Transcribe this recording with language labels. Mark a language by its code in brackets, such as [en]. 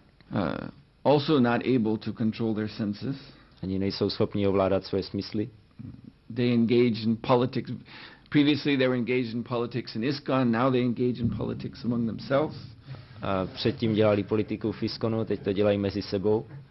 [en] They're also not able to control their senses. [cs] Ani nejsou schopni ovládat své smysly. [en] They engage in politics. Previously they were engaged in politics in ISKCON, now they engage in politics among themselves. [cs] A předtím dělali politiku v ISKCONu, teď to dělají mezi sebou.